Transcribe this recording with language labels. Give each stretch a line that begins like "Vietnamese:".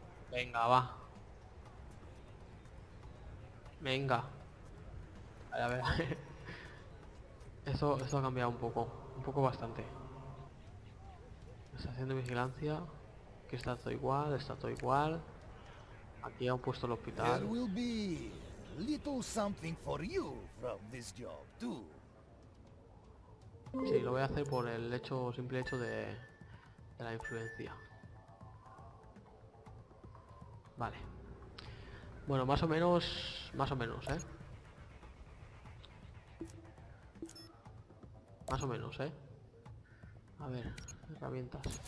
Spanish: Venga, va. A ver. Eso ha cambiado un poco bastante. Estación de vigilancia, que está todo igual, aquí han puesto el hospital.
English: There will be little something for you from this job too.
Spanish: Sí, lo voy a hacer por el hecho, simple hecho de la influencia. Vale. Bueno, más o menos, ¿eh? Más o menos, ¿eh? A ver, herramientas.